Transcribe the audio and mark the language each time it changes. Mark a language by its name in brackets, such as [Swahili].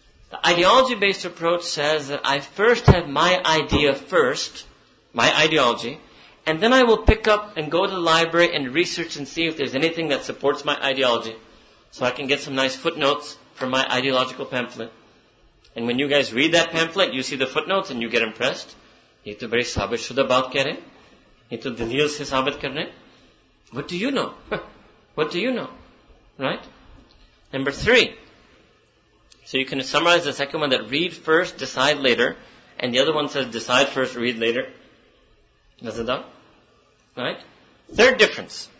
[English] The ideology-based approach says that I first have my idea first, my ideology, and then I will pick up and go to the library and research and see if there's anything that supports my ideology, so I can get some nice footnotes. for my ideological pamphlet. And when you guys read that pamphlet, you see the footnotes and you get impressed. [Urdu] یہ تو بڑے ثابت شدہ بات کہہ رہے ہیں۔ یہ تو دلیل سے ثابت کر رہے ہیں۔ [English] What do you know? What do you know? Right? Number three. So you can summarize the second one that read first, decide later. And the other one says decide first, read later. Does it not? Right? Third difference.